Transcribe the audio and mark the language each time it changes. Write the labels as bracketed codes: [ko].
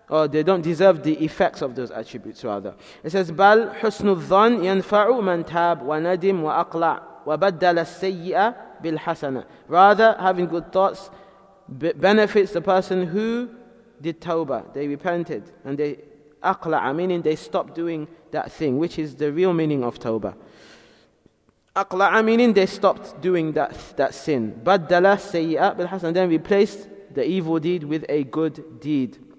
[en] They don't deserve the effects of those attributes, rather. It says, [ar] بَلْ حُسْنُ الظَّنْ يَنْفَعُ مَنْ تَابْ وَنَدِمْ وَأَقْلَعْ وَبَدَّلَ السَّيِّئَ بِالْحَسَنَةِ. [en] Rather, having good thoughts benefits the person who did tawbah, they repented, and they أَقْلَعَ, meaning they stopped doing that thing, which is the real meaning of tawbah. أَقْلَعَ, meaning they stopped doing that sin. [ar] بَدَّلَ السَّيِّئَ بِالْحَسَنَةِ, [en] then replaced the evil deed with a good deed.